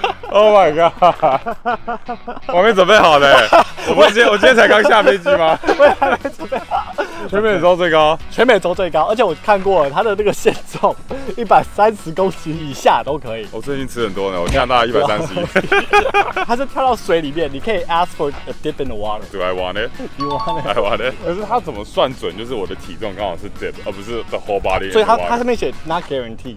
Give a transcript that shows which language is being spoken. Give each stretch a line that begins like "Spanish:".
English: Oh my god!
Chinese: 我没准备好嘞、欸，我今天才刚下飞机吗？我也还没准备好。全美洲最高，全美洲最高，而且我看过了它的那个限重，130公斤以下都可以。我最近吃很多呢，我跳到130。它是跳到水里面，你可以
English: ask for a dip in the water. Do I want it? You want it? I want it.
Chinese: 可是它怎么算准？就是我的体重刚好是 dip， 而不是
English: the whole body。
Chinese: 所以它上面写
English: not guaranteed.